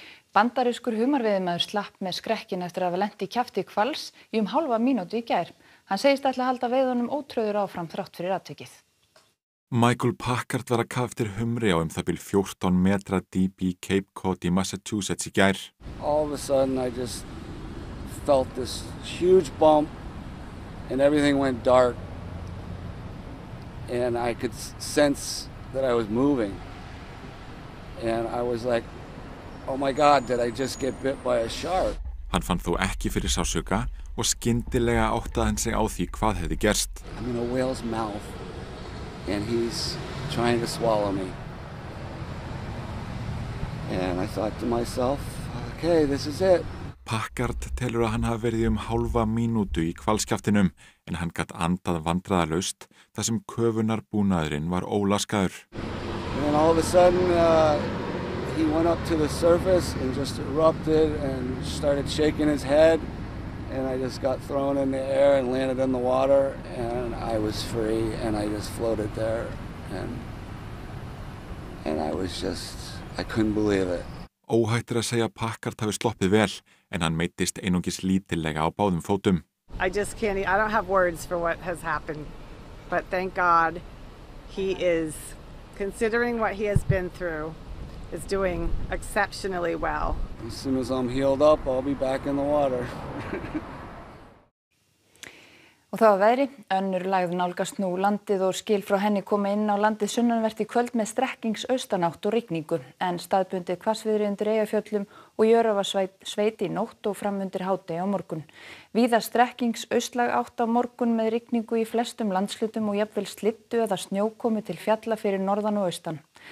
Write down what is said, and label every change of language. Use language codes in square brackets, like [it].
[is] Bandarískur humarveiðimaður slapp með skrekkin eftir að hafa lent í kjafti hvals í 30 mínútur í gær. Hann segist ætla að halda veiðunum ótrauður áfram þrátt fyrir atvikið. Michael Packard var að kafa eftir humri á það bil 14 metra dýpi í Cape Cod í Massachusetts í gær. [en] All of a sudden I just felt this huge bump and everything went dark and I could sense that I was moving and I was like, oh my god, did I just get bit by a shark? [is] Hann fann þó ekki fyrir sársauka og skyndilega áttaði hann sig á því hvað hefði gerst. [en] I'm in a whale's mouth and he's trying to swallow me. And I thought to myself, okay, this is it. [is] Packard telur að hann hafi verið hálfa mínútu í kvalskjaftinum en hann gat andað vandræðalaust þar sem köfunarbúnaðurinn var ólaskaður. [en] And then all of a sudden, he went up to the surface and just erupted and started shaking his head and I just got thrown in the air and landed in the water and I was free and I just floated there and I was just, I couldn't believe it. [is] Óhætt er að segja Packard hafi sloppið vel en hann meiddist einungis lítillega á báðum fótum. [en] I just can't, I don't have words for what has happened, but thank God he is, considering what he has been through, is doing exceptionally well. As soon as I'm healed up, I'll be back in the water. [is] Og þá að veðri, önnur lægð nálgast nú landið og skil frá henni koma inn á landið sunnanvert í kvöld með strekkings austanátt og rigningu, en staðbundið hvassviðri undir Eyjafjöllum og Jörfasveit í nótt og fram undir hádegi á morgun. Víða strekkings austlæg átt á morgun með rigningu í flestum landshlutum og jafnvel slyddu eða snjókomu til fjalla fyrir norðan og austan.